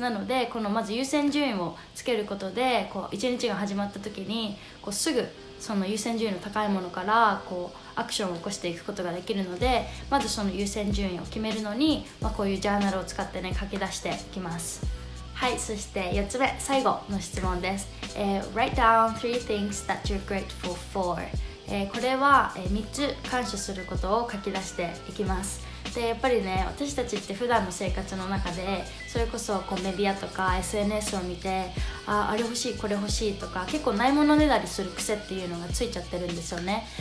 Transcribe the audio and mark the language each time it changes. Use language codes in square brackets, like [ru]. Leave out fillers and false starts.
[ja] なのでこのまず優先順位をつけることで、こう1日が始まった時にこうすぐその優先順位の高いものからこうアクションを起こしていくことができるので、まずその優先順位を決めるのに、こういうジャーナルを使ってね書き出していきます。はい、そして4つ目最後の質問です。 [en] Write down three things that you're grateful for。 [ja] これは3つ感謝することを書き出していきます。でやっぱりね、私たちって普段の生活の中でそれこそこうメディアとか SNS を見て、あれ欲しいこれ欲しいとか結構ないものねだりする癖っていうのがついちゃってるんですよね。